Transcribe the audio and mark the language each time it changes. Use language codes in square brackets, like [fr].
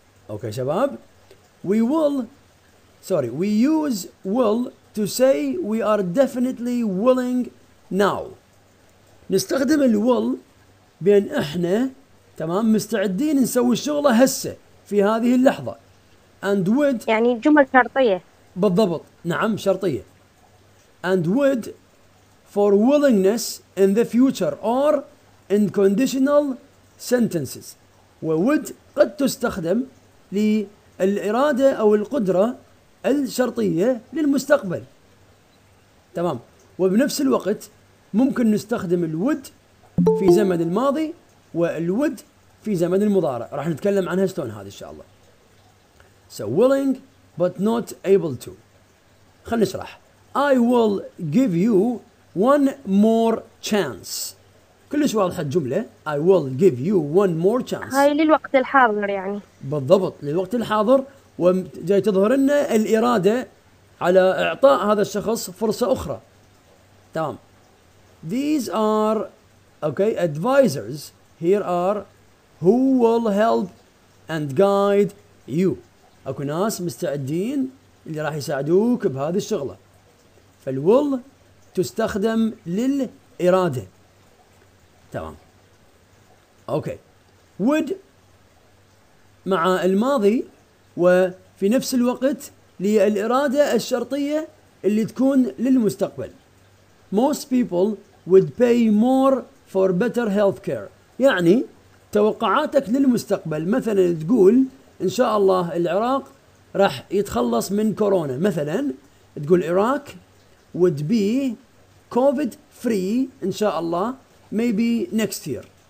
[ar] أوكي شباب، [en] we will، sorry we use will to say we are definitely willing now. [ar] نستخدم الول بأن إحنا تمام مستعدين نسوي الشغلة هسه في هذه اللحظة. [en] and would [ar] يعني جملة شرطية. بالضبط، نعم شرطية. [en] and would for willingness in the future or in conditional sentences. [ar] وود قد تستخدم للإرادة أو القدرة الشرطية للمستقبل. تمام. وبنفس الوقت ممكن نستخدم الود في زمن الماضي والود في زمن المضارع، راح نتكلم عنها شلون هذا إن شاء الله. [en] So willing but not able to. [ar] خلني أشرح. [en] I will give you one more chance. [ar] كلش واضحة الجملة. [en] I will give you one more chance. [ar] هاي للوقت الحاضر يعني. بالضبط، للوقت الحاضر، وجاي تظهر لنا الإرادة على إعطاء هذا الشخص فرصة أخرى. [en] تمام. These are okay advisors. Here are who will help and guide you. [ar] أكو ناس مستعدين اللي راح يساعدوك بهذه الشغلة. فالwill تستخدم للإرادة. تمام. اوكي، would مع الماضي وفي نفس الوقت للإرادة الشرطية اللي تكون للمستقبل. [en] Most people would pay more for better healthcare. [ar] يعني توقعاتك للمستقبل، مثلا تقول إن شاء الله العراق راح يتخلص من كورونا، مثلا تقول [en] Iraq would be COVID free [ar] إن شاء الله [en] maybe next year.